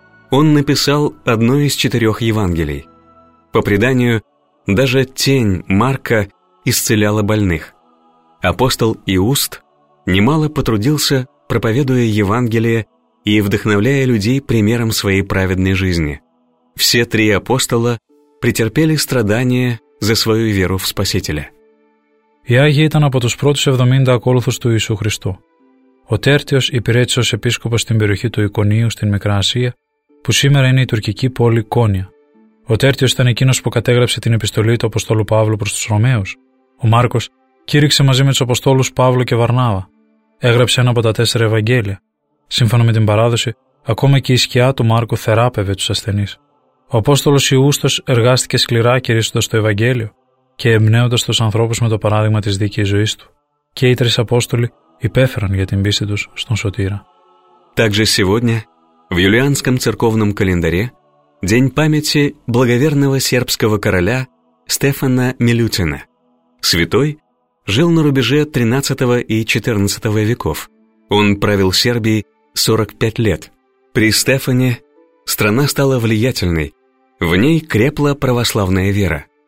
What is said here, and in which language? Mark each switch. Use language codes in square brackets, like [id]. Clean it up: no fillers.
[ru] Он написал одно из четырех Евангелий. По преданию, даже тень Марка исцеляла больных. Апостол Иуст немало потрудился, проповедуя Евангелие и вдохновляя людей примером своей праведной жизни. Все три апостола претерпели страдания за свою веру в Спасителя. [el] Οι Άγιοι ήταν από τους πρώτους 70 ακόλουθους του Ιησού Χριστού. Ο Τέρτιος υπηρέτησε ως επίσκοπος στην περιοχή του Ικονίου στην Μικρά Ασία, που σήμερα είναι η τουρκική πόλη Κόνια. Ο Τέρτιος ήταν εκείνος που κατέγραψε την επιστολή του Αποστόλου Παύλου προς τους Ρωμαίους. Ο Μάρκος κήρυξε μαζί με τους Αποστόλους Παύλο και Βαρνάβα. Έγραψε ένα από τα τέσσερα Ευαγγέλια. Σύμφωνα με την παράδοση, ακόμα και η σκιά του Μάρκου θεράπευε τους ασθενείς. Ο Απόστολος Ιούστος εργάστηκε σκληρά κηρύσσοντας το Ευαγγέλιο και εμπνέοντας τους ανθρώπους με το παράδειγμα της δίκαιης ζωής του. Και οι τρεις Απόστολοι υπέφεραν για την πίστη τους στον Σωτήρα. [ru] Также сегодня в юлианском церковном календаре день памяти благоверного сербского короля Стефана Милютина. Святой жил на рубеже 13 и 14 веков. Он правил Сербией 45 лет. При Стефане страна стала влиятельной, в ней крепла православная вера.